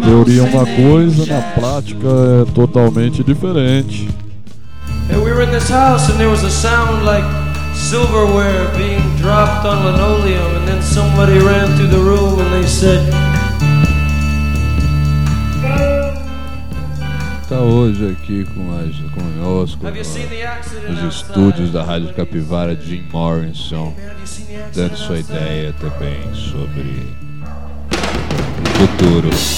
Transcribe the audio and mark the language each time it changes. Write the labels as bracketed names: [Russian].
[Portuguese] teoria é uma coisa, na prática é totalmente diferente. [English] Hey, we were in this house and there was a sound like silverware being dropped on linoleum, and then somebody ran through the room and they said... [Portuguese] Está hoje aqui conosco nos estúdios da Rádio Capivara, Jim Morrison, dando sua ideia também sobre o futuro.